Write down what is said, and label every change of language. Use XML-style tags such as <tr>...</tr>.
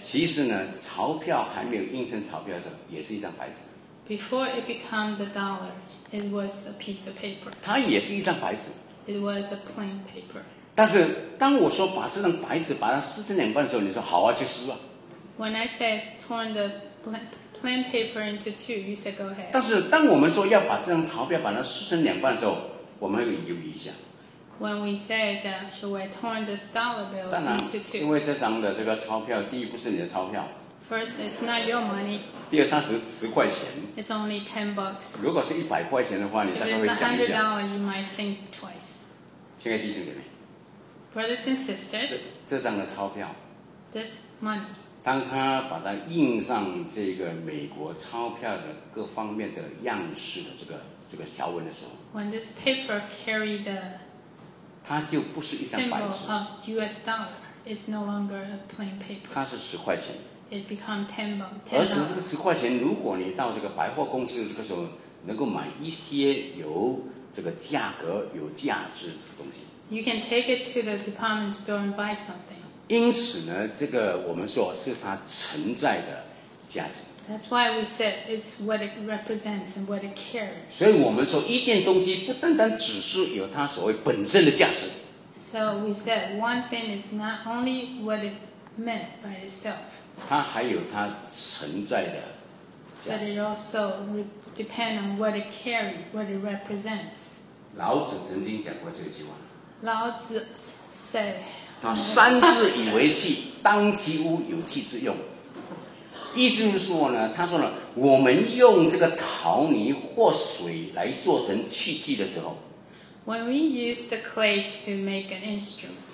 <zh>其实呢，钞票还没有印成钞票的时候，也是一张白纸。</zh> <en>Before it became the dollar, it was a piece of paper.</en> <zh>它也是一张白纸。</zh> <en>It was a plain paper.</en> <zh>但是当我说把这张白纸把它撕成两半的时候，你说好啊，就撕啊。</zh> <en>When I said torn the plain paper into two, you said go ahead.</en> <zh>但是当我们说要把这张钞票把它撕成两半的时候，我们会犹豫一下。</zh> <en>When we say that, should we torn this dollar bill into two?</en> <zh>当然，因为这张的这个钞票，第一不是你的钞票。</zh> <en>First, it's not your money.</en> <zh>第二，它是10块钱。</zh> <en>It's only $10.</en> <zh>如果是100块钱的话，你大概会想一下。</zh> <en>If it's $100, you might think twice.</en> <zh>亲爱的弟兄姐妹</zh> <en>，Brothers and sisters,</en> <zh>这张的钞票</zh> <en>，this money,</en> <zh>当他把它印上这个美国钞票的各方面的样式的这个条纹的时候</zh> <en>，When this paper carry the</en> <zh>它就不是一张白纸。</zh> <en>Symbol of U.S. dollar. It's no longer a plain paper.</en> <zh>它是十块钱。</zh> <en>It become $10.</en> <zh>而且这个十块钱，如果你到这个百货公司这个时候，能够买一些有这个价格、有价值的这个东西。</zh> <en>You can take it to the department store and buy something.</en> <zh>因此呢，这个我们说是它存在的价值。</zh> <en>That's why we said it's what it represents and what it carries.</en> <zh>所以我们说一件东西不单单只是有它所谓本身的价值。</zh> <en>So we said one thing is not only what it meant by itself.</en> <zh>它还有它存在的价值。</zh> <en>But it also depends on what it carries, what it represents.</en> <zh>老子曾经讲过这句话。</zh> <en>老子 said,</en> <zh>他三字以为器，当其无，有器之用。意思是说呢，他说呢，我们用这个陶泥或水来做成器具的时候</zh> <en>，When we use the clay to make an instrument，</en>